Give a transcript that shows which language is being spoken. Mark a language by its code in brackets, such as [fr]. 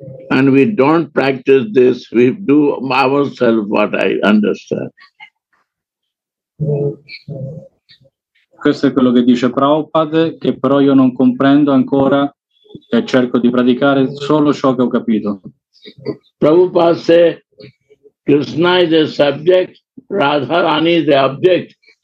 [en] And we don't practice this, we do ourselves what I understand. [it] Questo è quello che dice Prabhupada, che però io non comprendo ancora e cerco di praticare solo ciò che ho capito. Prabhupada dice [en] Krishna is the subject, Radharani is the object.